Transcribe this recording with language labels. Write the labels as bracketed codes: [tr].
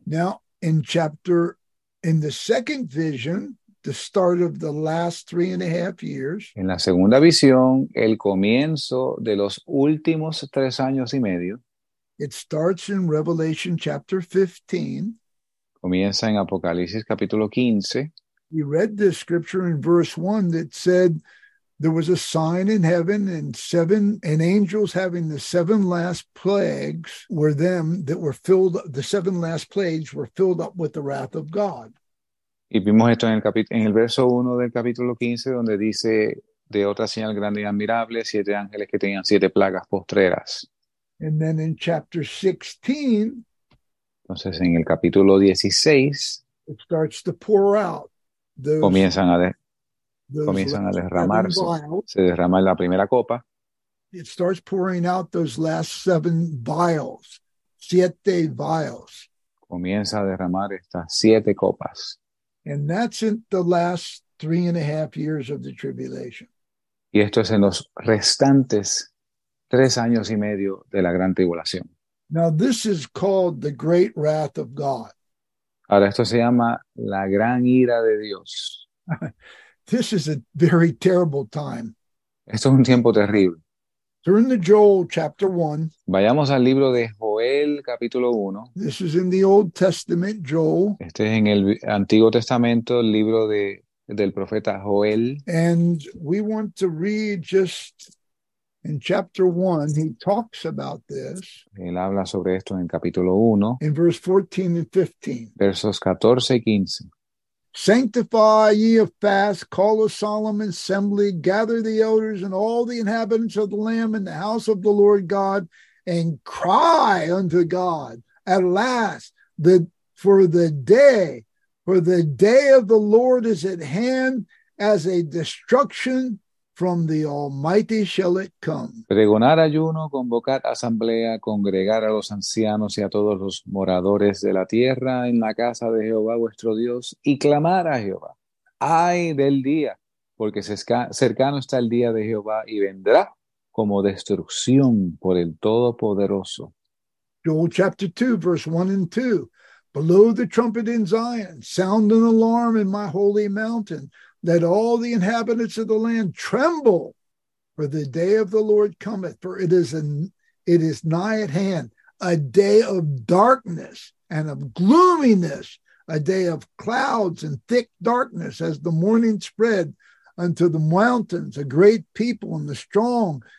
[en] Now, in chapter, in the second vision, the start of the last 3.5 years. [es] En la segunda visión, el comienzo de los últimos 3 años y medio. [en] It starts in Revelation chapter 15. [es] Comienza en Apocalipsis capítulo 15. [en] We read this scripture in verse 1 that said, there was a sign in heaven and seven, and angels having the seven last plagues were them that were filled, the seven last plagues were filled up with the wrath of God. [es] Y vimos esto en el verso 1 del capítulo 15, donde dice, de otra señal grande y admirable, siete ángeles que tenían siete plagas postreras. [en] And then in chapter 16, [es] entonces en el capítulo 16, [en] it starts to pour out those, [es] comienzan a derramarse, se derrama en la primera copa. [en] It starts pouring out those last seven vials, [es] siete [en] vials. [es] Comienza a derramar estas siete copas. [en] And that's in the last 3.5 years of the tribulation. [es] Y esto es en los restantes 3 años y medio de la gran tribulación. [en] Now this is called the great wrath of God. [es] Ahora esto se llama la gran ira de Dios. [en] This is a very terrible time. [es] Esto es un tiempo terrible. [en] Turn to Joel chapter 1. [es] Vayamos al libro de Joel capítulo 1. [en] This is in the Old Testament, Joel. [es] Este es en el Antiguo Testamento, el libro del profeta Joel. [en] And we want to read just in chapter 1, he talks about this. [es] Él habla sobre esto en capítulo 1. [en] In verse 14 and 15. [es] Versos 14 y 15. [en] Sanctify ye a fast, call a solemn assembly, gather the elders and all the inhabitants of the land in the house of the Lord God, and cry unto God at last for the day of the Lord is at hand as a destruction from the Almighty shall it come. [es] Pregonar ayuno, convocar asamblea, congregar a los ancianos y a todos los moradores de la tierra en la casa de Jehová vuestro Dios y clamar a Jehová. ¡Ay del día! Porque cercano está el día de Jehová y vendrá como destrucción por el Todopoderoso. [en] Joel chapter 2, verse 1 and 2. Blow the trumpet in Zion, sound an alarm in my holy mountain. Let all the inhabitants of the land tremble, for the day of the Lord cometh, for it is nigh at hand, a day of darkness and of gloominess, a day of clouds and thick darkness, as the morning spread unto the mountains, a great people and the strong.